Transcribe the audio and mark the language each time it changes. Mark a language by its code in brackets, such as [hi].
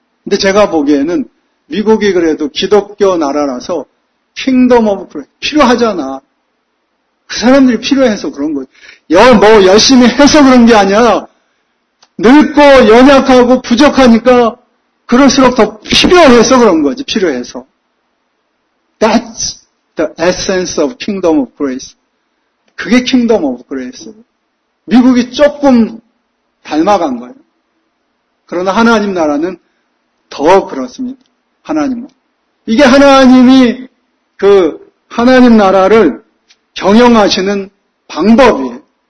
[ko] 근데 제가 보기에는 미국이 그래도 기독교 나라라서 킹덤 오브 그레이스 필요하잖아. 그 사람들이 필요해서 그런 거예요. 뭐 열심히 해서 그런 게 아니야. 늙고 연약하고 부족하니까 그럴수록 더 필요해서 그런 거지. 필요해서. [en] That's the essence of Kingdom of Grace. [ko] 그게 Kingdom of Grace. 미국이 조금 닮아간 거예요. 그러나 하나님 나라는 더 그렇습니다. 하나님은. 이게 하나님이 그 하나님 나라를 경영하시는 방법이에요.